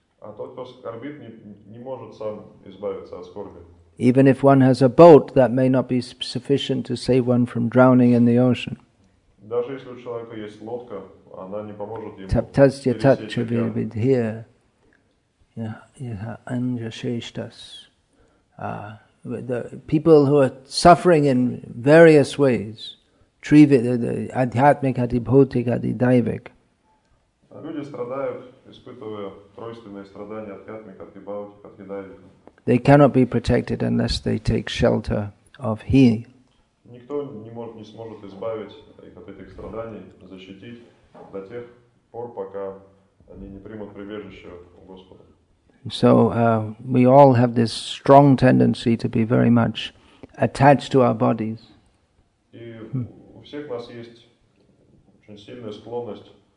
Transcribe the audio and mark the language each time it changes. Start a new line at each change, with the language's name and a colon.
Russian: А тот, кто скорбит, не может сам избавиться от скорби.
English: Even if one has a boat, that may not be sufficient to save one from drowning in the ocean.
Russian: Даже если у человека есть лодка, она не поможет ему пересечь океан.
Sanskrit: Taptasya tachavirvidhiya yaha anjasheshtas.
English: The people who are suffering in various ways, adhyatmik, adhibhautik, adhidaivik.
Russian: Люди страдают, испытывая тройственные страдания, адхиатмик, адхибаутик, адхидаивик.
English: They cannot be protected unless they take shelter of He.
Russian: Никто не сможет избавить их от этих страданий, защитить до тех пор, пока они не примут прибежище у Господа.
English: So we all have this strong tendency to be very much attached to our bodies.
Russian: И у всех нас есть очень сильная склонность.